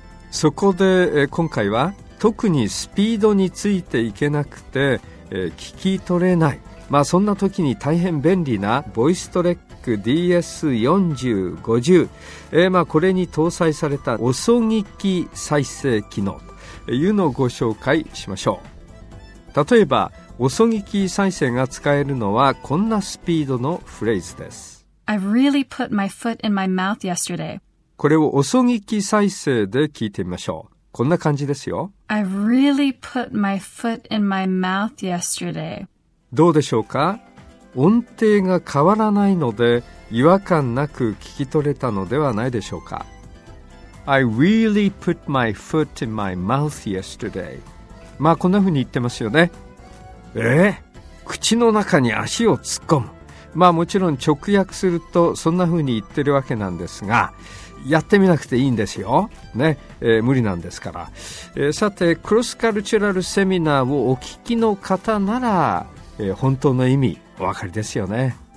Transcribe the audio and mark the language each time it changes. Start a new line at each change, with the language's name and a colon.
Japanese: そこで今回は特にスピードについていけなくて聞き取れない、まあそんな時に大変便利なボイストレック DS4050、まあこれに搭載された遅聞き再生機能というのをご紹介しましょう。例えば遅聞き再生が使えるのはこんなスピードのフレーズです。
English: I've really put my foot in my mouth yesterday。
Japanese: これを遅聞き再生で聞いてみましょう。こんな感じですよ。
English: I've really put my foot in my mouth yesterday。
Japanese: どうでしょうか。音程が変わらないので違和感なく聞き取れたのではないでしょうか。
English: I really put my foot in my mouth yesterday。
Japanese: まあこんな風に言ってますよね。口の中に足を突っ込む。まあもちろん直訳するとそんな風に言ってるわけなんですが、やってみなくていいんですよ、無理なんですから、さてクロスカルチュラルセミナーをお聞きの方なら、本当の意味お分かりですよね。